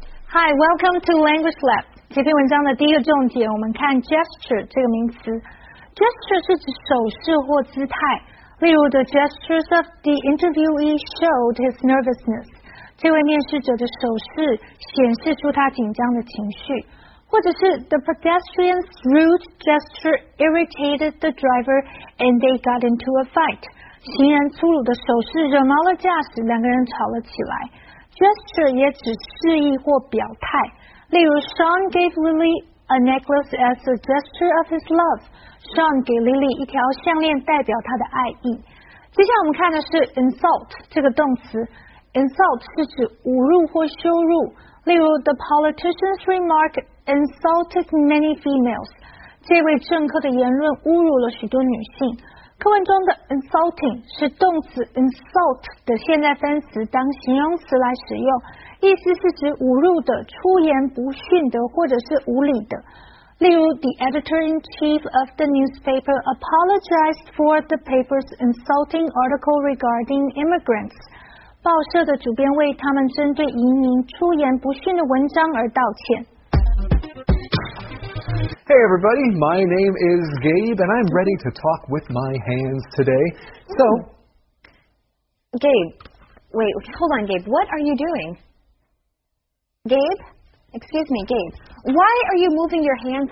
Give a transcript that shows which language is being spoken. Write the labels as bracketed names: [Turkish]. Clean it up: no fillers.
[English] Hi, welcome to Language Lab. [Chinese] 这篇文章的第一个重点，我们看 gesture 这个名词。 Gesture 是指手势或姿态。例如 [English] the gestures of the interviewee showed his nervousness. [Chinese] 这位面试者的手势显示出他紧张的情绪。 [English] 或者是 the pedestrian's rude gesture irritated the driver and they got into a fight. [Chinese] 行人粗鲁的手势惹毛了驾驶，两个人吵了起来。 Gesture 也指示意或表态。例如 [English] Sean gave Lily a necklace as a gesture of his love. [Chinese] Sean 给 Lily 一条项链代表他的爱意。接下来我们看的是 insult 这个动词。 [English] insult [Chinese] 是指侮辱或羞辱。例如 [English] the politician's remark insulted many females. [Chinese] 这位政客的言论侮辱了许多女性。课文中的 insulting 是动词 insult 的现在分词当形容词来使用。意思是指侮辱的、出言不逊的或者是无理的。例如 [English] the editor-in-chief of the newspaper apologized for the paper's insulting article regarding immigrants. [Chinese] 报社的主编为他们针对移民出言不逊的文章而道歉。 [English] Hey everybody, my name is Gabe and I'm ready to talk with my hands today. So, Gabe, wait, hold on Gabe, what are you doing? Gabe? Excuse me, Gabe. Why are you moving your hands?